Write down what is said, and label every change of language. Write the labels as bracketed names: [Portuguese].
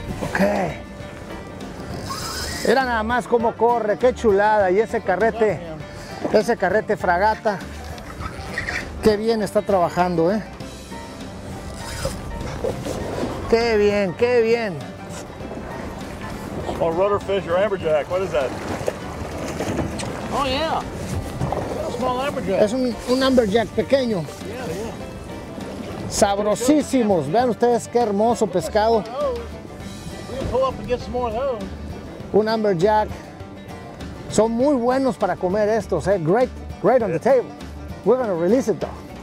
[English] Okay. [Spanish] Era nada más cómo corre, qué chulada. Y ese carrete fragata, qué bien está trabajando, qué bien. [English] Or rudder fish or amberjack, what is that? Oh, yeah. Small amberjack. [Spanish] Es un amberjack pequeño. [English] Yeah. [Spanish] Sabrosísimos. Vean ustedes qué hermoso pescado. [English] We can pull up and get some more of those. [Spanish] Un amberjack. Son muy buenos para comer estos, eh. [English] Great, great on the table. We're gonna release it though.